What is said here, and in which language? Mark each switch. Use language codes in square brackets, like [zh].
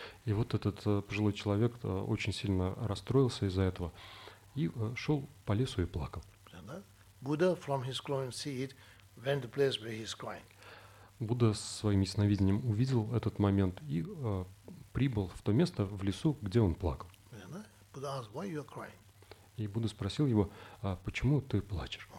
[ru] И вот этот пожилой человек очень сильно расстроился из-за этого и шел по лесу и плакал. [en] Buddha from his clone seat went to the place where he's crying. [ru] Buddha со своим ясновидением увидел этот момент и прибыл в то место в лесу, где он плакал. [en] Buddha asked, why you are crying? [ru] И Будда спросил его, почему ты плачешь?